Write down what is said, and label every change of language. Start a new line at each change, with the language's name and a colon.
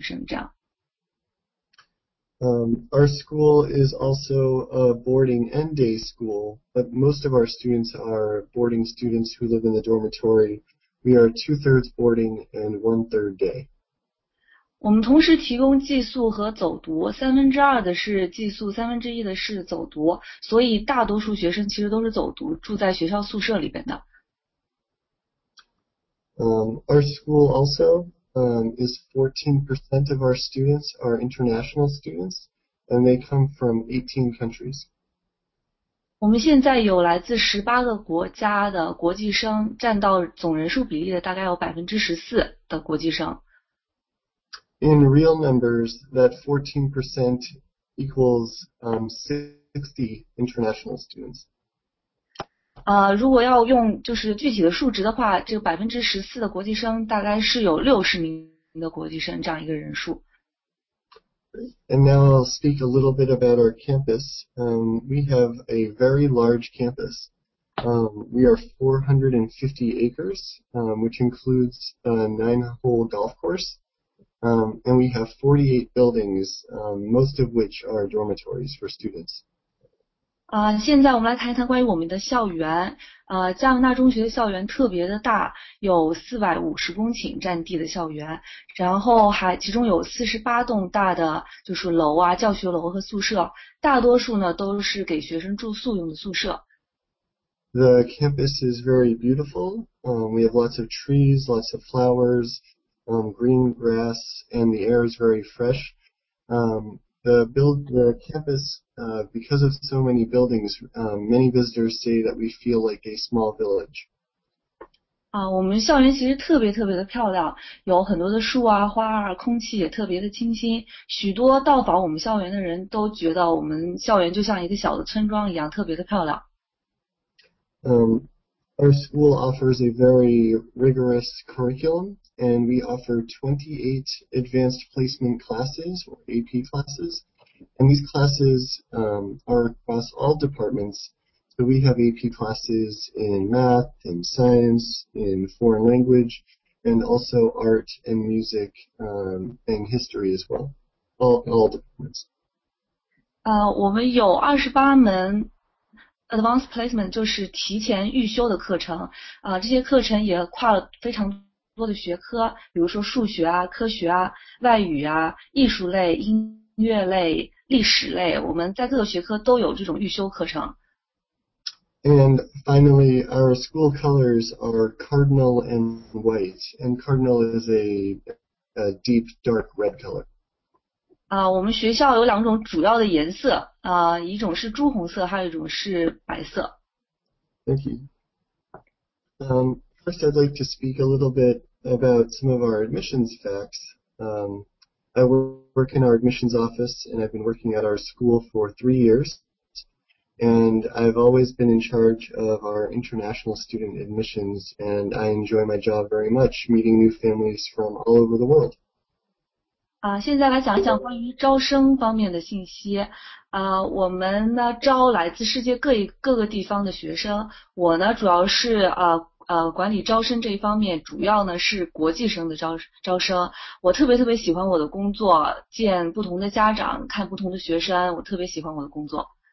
Chinese: 我们现在一共有408名学生，男生和女生呢是对半分的，就一半是男生，一半是女生这样。
English: Our school is also a boarding and day school, but most of our students are boarding students who live in the dormitory. We are two-thirds boarding and one-third day.
Chinese: 我们同时提供寄宿和走读，三分之二的是寄宿，三分之一的是走读，所以大多数学生其实都是走读，住在学校宿舍里边的。
English: Our school also is 14% of our students are international students, and they come from 18 countries.
Chinese: 我们现在有来自18个国家的国际生，占到总人数比例的大概有14%的国际生。
English: in real numbers, that 14% equals 60 international students.
Chinese: 如果要用就是具体的数值的话，这个14%的国际生大概是有60名的国际生这样一个人数。
English: And now I'll speak a little bit about our campus. We have a very large campus. We are 450 acres, which includes a 9-hole golf course. And we have 48 buildings, most of which are dormitories for students.
Chinese: 现在我们来谈一谈关于我们的校园。加拿大中学的校园特别的大，有450公顷占地的校园，然后还其中有48栋大的就是楼啊，教学楼和宿舍，大多数呢都是给学生住宿用的宿舍。
English: The campus is very beautiful. We have lots of trees, lots of flowers, green grass, and the air is very fresh. The campus, because of so many buildings, many visitors say that we feel like a small village.
Chinese: 我们校园其实特别特别的漂亮，有很多的树啊、花啊，空气也特别的清新。许多到访我们校园的人都觉得我们校园就像一个小的村庄一样，特别的漂亮。
English: Our school offers a very rigorous curriculum, and we offer 28 advanced placement classes, or AP classes, and these classes are across all departments. So we have AP classes in math, in science, in foreign language, and also art and music and history as well, all departments.
Chinese: 我们有28门Advanced Placement 就是提前预修的课程，这些课程也跨了非常多的学科，比如说数学啊、科学啊、外语啊、艺术类、音乐类、历史类，我们在各个学科都有这种预修课程。
English: And finally, our school colors are cardinal and white, and cardinal is a deep dark red color.
Chinese: 我们学校有两种主要的颜色，一种是朱红色，还有一种是白色。
English: Thank you. First, I'd like to speak a little bit about some of our admissions facts. I work in our admissions office, and I've been working at our school for 3 years. And I've always been in charge of our international student admissions, and I enjoy my job very much, meeting new families from all over the world.
Chinese: 现在来讲一讲关于招生方面的信息。我们呢招来自世界各个地方的学生。我呢主要是管理招生这一方面，主要呢是国际生的招生。我特别特别喜欢我的工作，见不同的家长，看不同的学生，我特别喜欢我的工作。